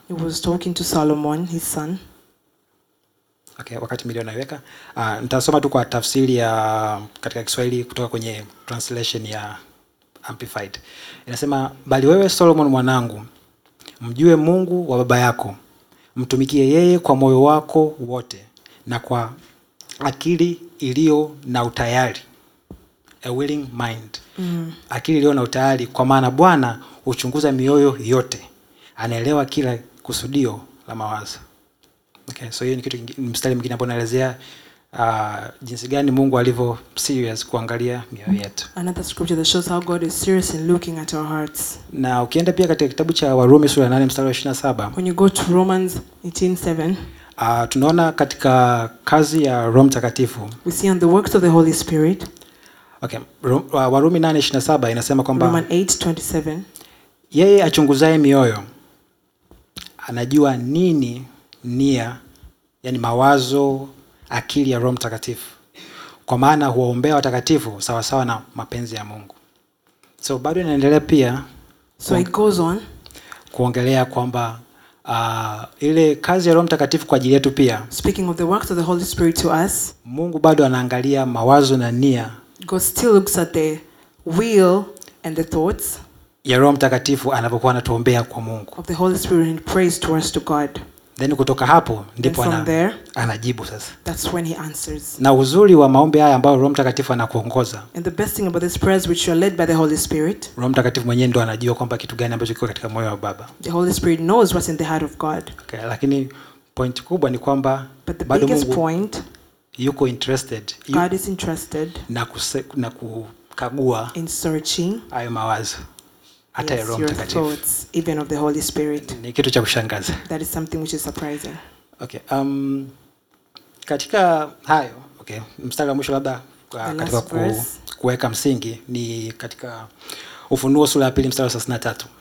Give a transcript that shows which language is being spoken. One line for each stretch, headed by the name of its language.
English: He was talking to Solomon, his son.
Swahili: Okay, wakati milio naiweka. Nitasoma tu kwa tafsiri ya katika Kiswahili kutoka kwenye translation ya Amplified. Inasema, bali wewe Solomon mwanangu, mjue Mungu wa baba yako. Mtumikie yeye kwa moyo wako wote na kwa akili iliyo na utayari.
English: A willing mind. Mm.
Swahili: Akili iliyo na utayari kwa maana Bwana huchunguza mioyo yote. Anaelewa kila kusudio la mawazo. Okay, so hiyo ni kitu kingine, mstari mwingine ambao naelezea jinsi gani Mungu alivyo serious kuangalia mioyo yetu.
English: Another scripture that shows how God is serious in looking at our hearts.
Swahili: Na ukienda pia katika kitabu cha Warumi sura ya 8 mstari wa 27.
English: When you go to Romans 18:7.
Swahili: Tunaona katika kazi ya Roho Mtakatifu.
English: We see on the works of the Holy Spirit.
Swahili: Okay, Warumi 8:27 inasema kwamba
English: Romans 8:27.
Swahili: Yeye achunguzaye mioyo anajua nini nia, yani mawazo akili ya Roho Mtakatifu. Kwa maana huwaombea watakatifu sawa sawa na mapenzi ya Mungu. So bado inaendelea pia.
English: So it goes on.
Swahili: Kuongelea kwamba ile kazi ya Roho Mtakatifu kwa ajili yetu pia.
English: Speaking of the works of the Holy Spirit to us.
Swahili: Mungu bado anaangalia mawazo na nia.
English: God still looks at the will and the thoughts.
Swahili: Ya Roho Mtakatifu anapokuwa anatuombea kwa Mungu.
English: Of the Holy Spirit and prays to us to God.
Swahili: Then kutoka hapo ndipo anajibu sasa.
English: That's when he answers.
Swahili: Na uzuri wa maombi haya ambayo Roho Mtakatifu anakuongoza.
English: And the best thing about this prayers which are led by the Holy Spirit.
Swahili: Roho Mtakatifu mwenyewe ndo anajua kwamba kitu gani ambacho kiko katika moyo wa Baba.
English: The Holy Spirit knows what's in the heart of God.
Swahili: Okay, lakini point kubwa ni kwamba bado Mungu
English: point,
Swahili: yuko interested.
English: God is interested.
Swahili: Na kukagua
English: in searching
Swahili: ayo mawazo. Hata
English: yes, your thoughts, even of the Holy Spirit.
Swahili: Ni kitu cha kushangaza.
English: That is something which is surprising. Okay.
Swahili: Katika hayo, okay, mstari wa mwisho labda katika kuweka msingi ni katika Ufunuo sura ya 2 mstari wa 33.